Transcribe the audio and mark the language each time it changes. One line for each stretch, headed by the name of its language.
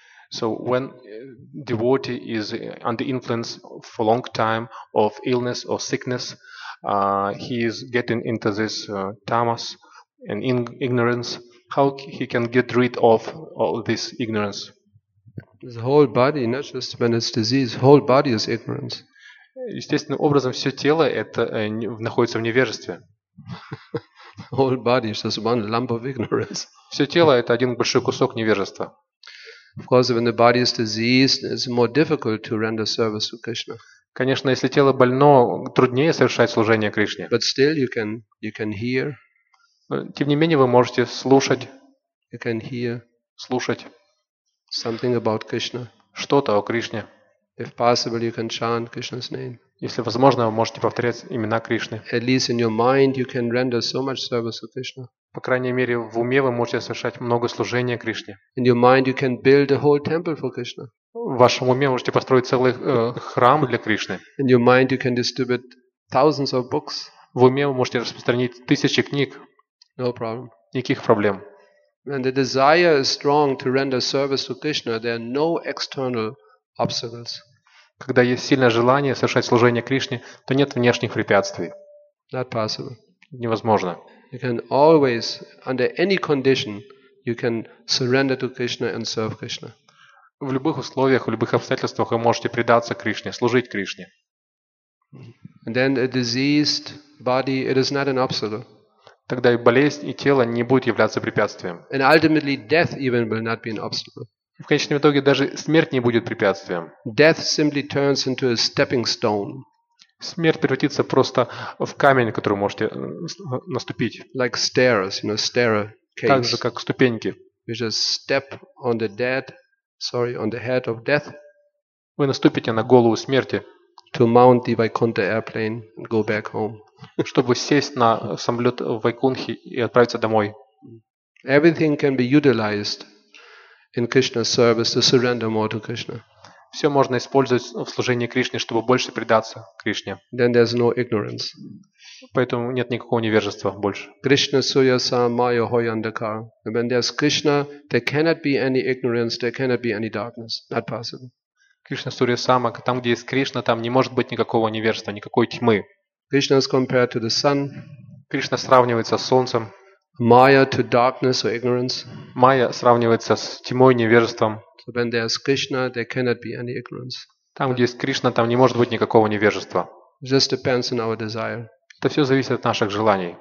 English: So when devotee is under influence for a long time of illness or sickness, he is getting into this tamas and ignorance. How he can get rid of all this ignorance? The whole body, not just when it's disease, whole body is ignorance.
Russian: Естественным образом все тело это находится в невежестве.
English: Whole body is just one lump of ignorance.
Russian: Все тело это один большой кусок невежества.
English: Of course, when the body is diseased, it's more difficult to render service to Krishna.
Russian: Конечно, если тело больно, труднее совершать служение Кришне.
English: But still, you can hear.
Russian: Тем не менее, вы можете слушать.
English: You can hear.
Russian: Слушать.
English: Something about Krishna.
Russian: Что-то о Кришне.
English: If possible, you can chant Krishna's name.
Russian: Если возможно, вы можете повторять имена Кришны.
English: At least in your mind, you can render so much service to Krishna.
Russian: По крайней мере, в уме вы можете совершать много служения Кришне.
English: In your mind, you can build a whole temple for Krishna.
Russian: В вашем уме можете построить целый храм для Кришны.
English: In your mind, you can distribute thousands of books.
Russian: В уме вы можете распространить тысячи книг.
English: No problem.
Russian: Никаких проблем.
English: When the desire is strong to render service to Krishna, there are no external obstacles.
Russian: Когда есть сильное желание совершать служение Кришне, то нет внешних препятствий.
English: Not possible.
Russian: Невозможно.
English: You can always, under any condition, you can surrender to Krishna and serve Krishna.
Russian: В любых условиях, в любых обстоятельствах вы можете предаться Кришне, служить Кришне.
English: And then a diseased body, it is not an obstacle.
Russian: Тогда и болезнь, и тело не будут являться препятствием.
English: And ultimately death even will not be an obstacle.
Russian: В конечном итоге даже смерть не будет препятствием.
English: Death simply turns into a stepping stone.
Russian: Смерть превратится просто в камень, на который можете наступить.
English: Like stairs, you know, stair case.
Russian: Так же, как ступеньки.
English: You just step on the dead, sorry, on the head of death.
Russian: Вы наступите на голову смерти.
English: To mount the Vaikuntha airplane and go back home.
Russian: Чтобы сесть на самолет в Вайкунхе и отправиться домой.
English: Everything can be utilized in Krishna's service to surrender more to Krishna.
Russian: Все можно использовать в служении Кришне, чтобы больше предаться Кришне.
English: Then there's no ignorance.
Russian: Поэтому нет никакого невежества больше.
Bangla: Krishna suya samaya hoyandakar.
English: When there's Krishna, there cannot be any ignorance, there cannot be any darkness. Not possible.
Bangla: Кришна сурья сама,
Russian: там где есть Кришна, там не может быть никакого невежества, никакой тьмы.
English: Krishna is compared to the sun.
Russian: Кришна сравнивается с солнцем.
English: Maya to darkness or ignorance.
Russian: Майя сравнивается с тьмой, невежеством.
English: So when there is Krishna, there cannot be any ignorance.
Russian: Там где есть Кришна, там не может быть никакого невежества.
English: Just depends on our desire.
Russian: Это все зависит от наших желаний.